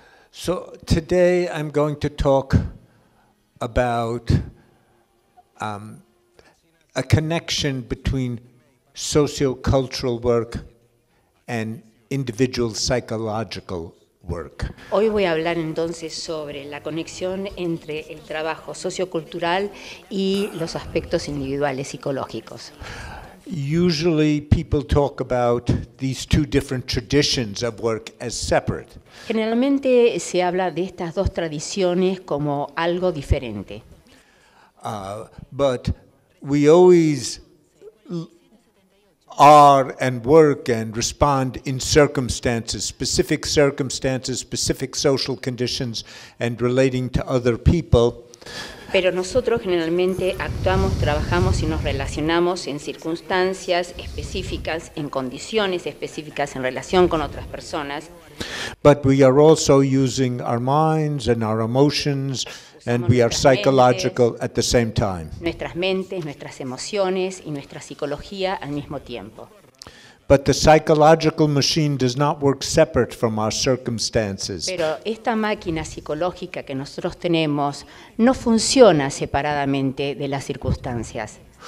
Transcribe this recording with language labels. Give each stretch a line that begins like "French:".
English: So today I'm going to talk about a connection between sociocultural work and individual psychological work.
Spanish: Hoy voy a hablar entonces sobre la conexión entre el trabajo sociocultural y los aspectos individuales psicológicos.
English: Usually people talk about these two different traditions of work as separate.
Spanish: Generalmente se habla de estas dos tradiciones como algo diferente.
English: But we always are and work and respond in circumstances, specific social conditions and relating to other people.
Spanish: Pero nosotros generalmente actuamos, trabajamos y nos relacionamos en circunstancias específicas, en condiciones específicas en relación con otras personas.
English: But we are also using our minds and our emotions, and we are psychological at the same time.
Spanish: Nuestras mentes, nuestras emociones y nuestra psicología al mismo tiempo.
English: But the psychological machine does not work separate from our circumstances.
Spanish: Pero esta máquina psicológica que nosotros tenemos no funciona separadamente de las circunstancias.